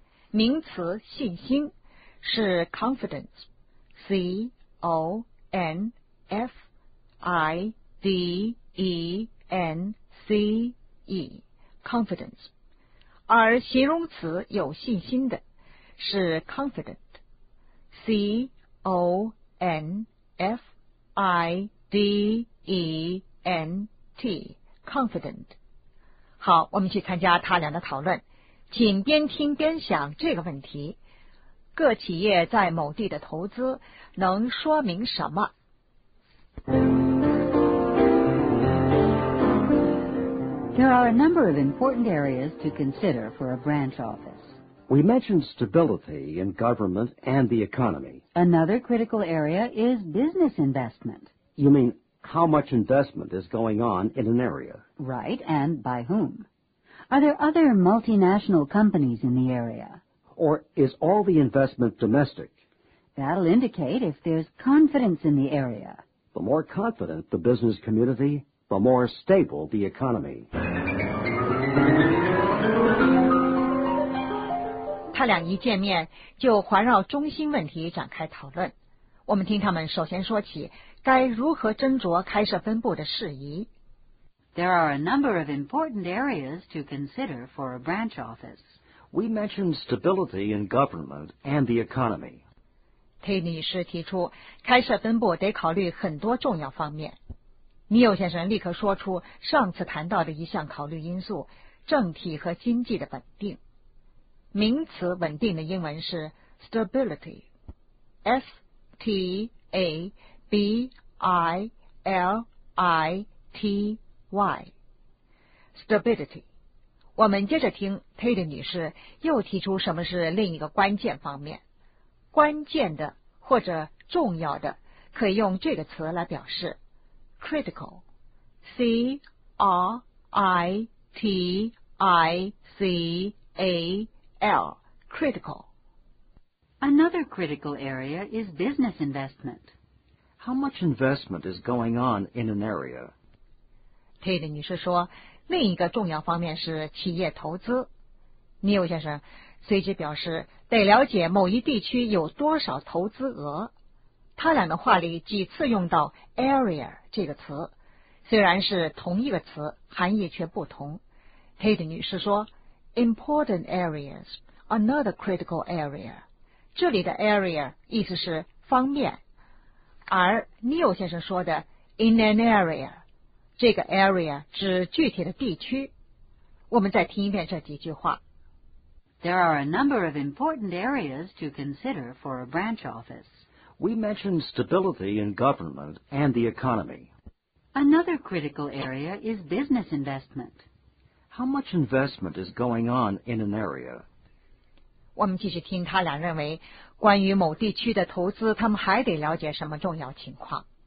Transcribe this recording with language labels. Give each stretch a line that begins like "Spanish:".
Chinese: 名词信心是 confidence， C-O-N-F-I-D-E-N-C-E confidence， 而形容词有信心的是 confident， C-O-N-F-I-D-E-N-T confident。好，我们去参加他俩的讨论，请边听边想这个问题，各企业在某地的投资能说明什么。
English: There are a number of important areas to consider for a branch office. We mentioned stability in government and the economy. Another critical area is business investment. You mean how much investment is going on in an area? Right, and by whom? Are there other multinational companies in the area? Or is all the investment domestic? That'll indicate if there's confidence in the area. The more confident the business community, the more stable the economy.
Chinese: 他俩一见面就环绕中心问题展开讨论。我们听他们首先说起该如何斟酌开设分部的事宜。
English: There are a number of important areas to consider for a branch office. We mentioned stability in government and the economy.
Chinese: Tay 女士提出，开设分部得考虑很多重要方面。尼欧先生立刻说出上次谈到的一项考虑因素，政体和经济的稳定。名词稳定的英文是 stability， S-T-A-B-I-L-I-T-Y stability。我们接着听 Tate 女士又提出什么是另一个关键方面。关键的或者重要的可以用这个词来表示，critical， C-R-I-T-I-C-A-L critical。
English: Another critical area is business investment. How much investment is going on in an area?
Chinese: Tate 女士说，另一个重要方面是企业投资。 Neil 先生随即表示，得了解某一地区有多少投资额。他俩的话里几次用到 area 这个词，虽然是同一个词，含义却不同。 Tate 女士说，
English: important areas， another critical area，
Chinese: 这里的 area 意思是方面，而 Neil 先生说的
English: in an area，
Chinese: 这个 area 指具体的地区。我们再听一遍这几句话。
English: There are a number of important areas to consider for a branch office. We mentioned stability in government and the economy. Another critical area is business investment. How much investment is going on in an area?
Chinese: 我们继续听他俩认为关于某地区的投资他们还得了解什么重要情况。